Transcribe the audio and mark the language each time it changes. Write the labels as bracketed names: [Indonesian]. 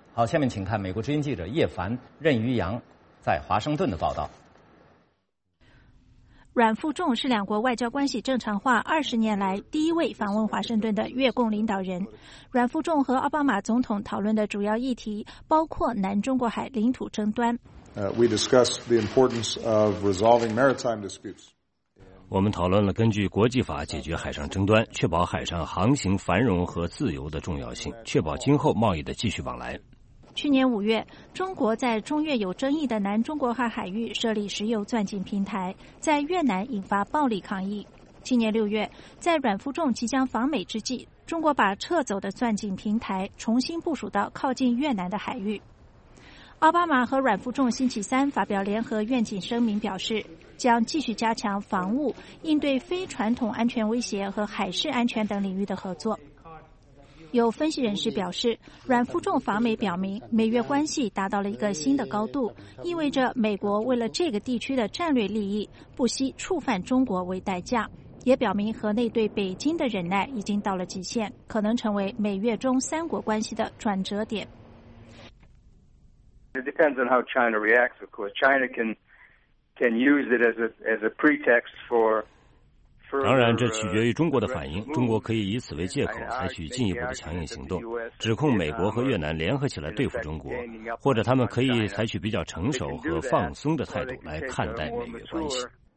[Chinese] 好，下面请看美国之音记者叶凡、任于洋在华盛顿的报道。阮富仲是两国外交关系正常化20年来第一位访问华盛顿的越共领导人。阮富仲和奥巴马总统讨论的主要议题包括南中国海领土争端。 [English] We discussed the importance of resolving maritime disputes. [Chinese] 我们讨论了根据国际法解决海上争端，确保海上航行繁荣和自由的重要性，确保今后贸易的继续往来。去年五月，中国在中越有争议的南中国海海域设立石油钻井平台，在越南引发暴力抗议。去年六月，在阮富仲即将访美之际，中国把撤走的钻井平台重新部署到靠近越南的海域。奥巴马和阮富仲星期三发表联合愿景声明，表示将继续加强防务、应对非传统安全威胁和海事安全等领域的合作。有分析人士表示，阮富仲访美表明美越关系达到了一个新的高度，意味着美国为了这个地区的战略利益不惜触犯中国为代价，也表明河内对北京的忍耐已经到了极限，可能成为美越中三国关系的转折点。 [English] It depends on how China reacts, of course. China can use it as a pretext for... [Chinese] 当然这取决于中国的反应，中国可以以此为借口采取进一步的强硬行动，指控美国和越南联合起来对付中国，或者他们可以采取比较成熟和放松的态度来看待美越关系。